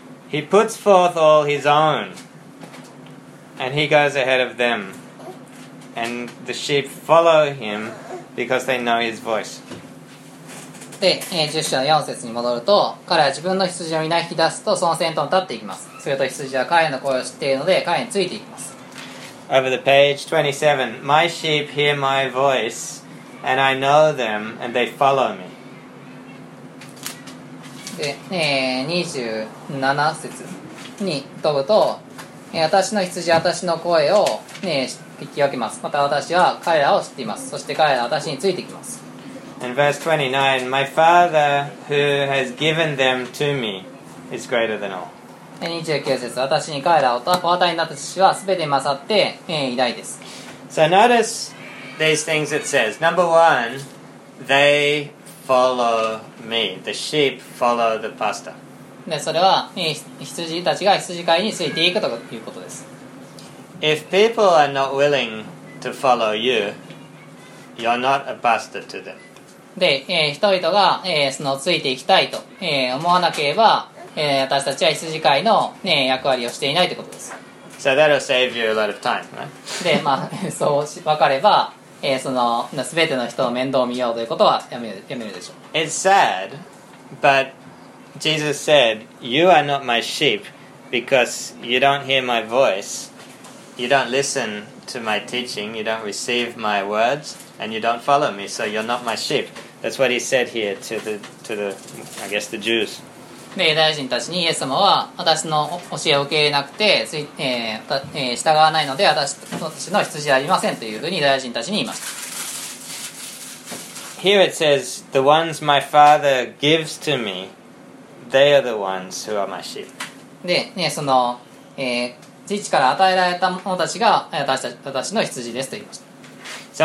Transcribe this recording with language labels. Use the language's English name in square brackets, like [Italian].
[English] He puts forth all his own, and he goes ahead of them, and the sheep follow him because they know his voice. [Japanese] で、10章の4節に戻ると、彼は自分の羊を見引き出すと、その先頭に立っていきます。すると羊は彼の声を知っているので、彼についていきます。 [English] Over the page 27, my sheep hear my voice, and I know them, and they follow me. [Japanese] で、27節に飛ぶと、私の羊は私の声を、ね、聞き分けます。また私は彼らを知っています。そして彼らは私についてきます。 [English] And verse 29, my father who has given them to me is greater than all. [Japanese] 29節、私に彼らをお与えになった父はすべて勝って、偉大です。 [English] So notice these things it says. Number one, they follow me. The sheep follow the pastor. [Japanese] で、それは、羊たちが羊飼いについていくということです。 [English] If people are not willing to follow you, you're not a pastor to them. [Japanese] で、人々が、そのついていきたいと、思わなければ、私たちは羊飼いの、ね、役割をしていないということです。 [English] So that'll save you a lot of time, right? [Japanese] で、まあ、そう分かれば、その、全ての人の面倒を見ようということはやめるでしょう。 [English] It's sad, but Jesus said, you are not my sheep because you don't hear my voice, you don't listen to my teaching, you don't receive my words, and you don't follow me, so you're not my sheep. That's what he said here to the, I guess, the Jews. [Japanese] で、大臣たちにイエス様は私の教えを受け入れなくて、従わないので私の羊はありませんというふうに大臣たちに言いました。 [English] Here it says the ones my father gives to me they are the ones who are my sheep. [Japanese] で、ね、その、父から与えられた者たちが私の羊ですと言いました。